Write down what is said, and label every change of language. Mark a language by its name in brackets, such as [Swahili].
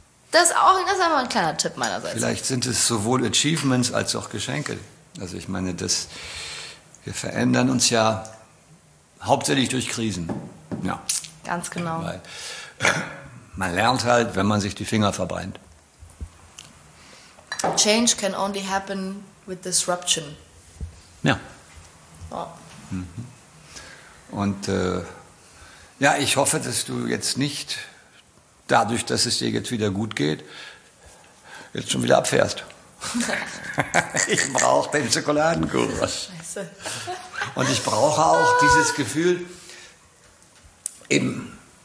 [German] Das ist einfach ein kleiner Tipp meinerseits. Vielleicht sind es sowohl Achievements als auch Geschenke. Also ich meine, wir verändern uns ja hauptsächlich durch Krisen. Ja. Ganz genau. Weil man lernt halt, wenn man sich die Finger verbrennt. [English] Change can only happen with disruption. [German] Ja. Und ja, ich hoffe, dass du jetzt nicht dadurch, dass es dir jetzt wieder gut geht, jetzt schon wieder abfährst. Ich brauche den Schokoladenkuchen. Scheiße. Und ich brauche auch dieses Gefühl, eben